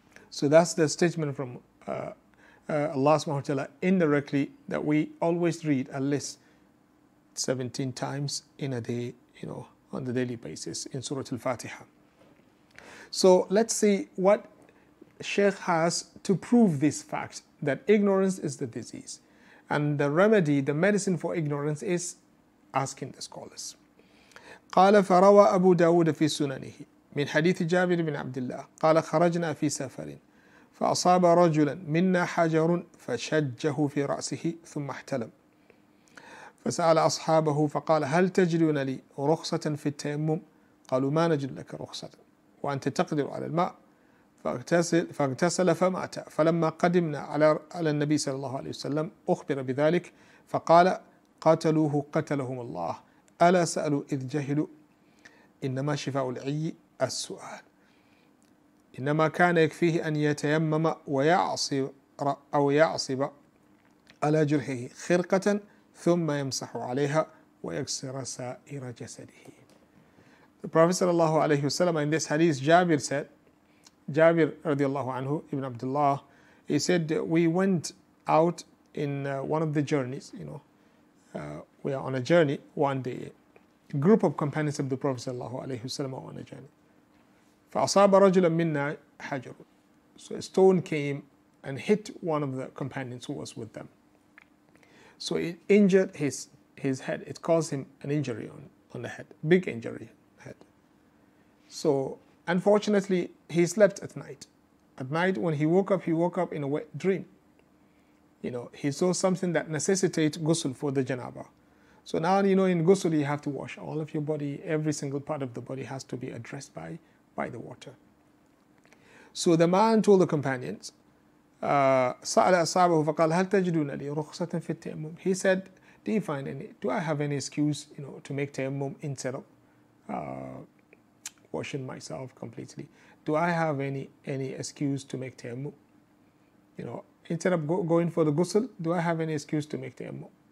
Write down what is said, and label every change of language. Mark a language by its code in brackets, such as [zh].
[en] So that's the statement from Allah subhanahu wa ta'ala indirectly, that we always read at least 17 times in a day, you know, on the daily basis in Surah Al-Fatiha. So let's see what Sheikh has to prove this fact, that ignorance is the disease. And the remedy, the medicine for ignorance is asking the scholars. [ar] قال فروى أبو داود في سننه من حديث جابر بن عبد الله قال خرجنا في سفر فأصاب رجلا منا حجر فشجه في رأسه ثم احتلم فسأل أصحابه فقال هل تجدون لي رخصة في التيمم قالوا ما نجد لك رخصة وأنت تقدر على الماء فاغتسل فمات فلما قدمنا على النبي صلى الله عليه وسلم أخبر بذلك فقال قاتلوه قتلهم الله ألا سألوا إذ جهلوا إنما شفاء العي السؤال إنما كان يكفيه أن يتيمم ويعصر أو يعصب على جرحه خرقة ثم يمسح عليها ويكسر سائر جسده. [en] The Prophet صلى الله عليه وسلم in this hadith, Jabir said, Jabir radiallahu anhu, Ibn Abdullah, he said, we went out in one of the journeys, you know, we are on a journey one day. A group of companions of the Prophet sallallahu alayhi wa sallam are on a journey. [ar] فَأَصَابَ رَجُلًا مِنَّا حَجَرٌ. [en] So a stone came and hit one of the companions who was with them. So it injured his head. It caused him an injury on the head, big injury head. So unfortunately, he slept at night. At night, when he woke up in a wet dream. You know, he saw something that necessitated ghusl for the janabah. So now, you know, in ghusl, you have to wash all of your body. Every single part of the body has to be addressed by the water. So the man told the companions, [ar] سَأَلَ أَصَابَهُ فَقَالَ هَلْ تَجِدُونَ لِي رُخْصَةً فِي التَّيَمُّمُ. [en] He said, do you find any, do I have any excuse, you know, to make tayammum instead of washing myself completely? Do I have any excuse to make tayammum? You know, instead of going for the ghusl, do I have any excuse to make tayammum?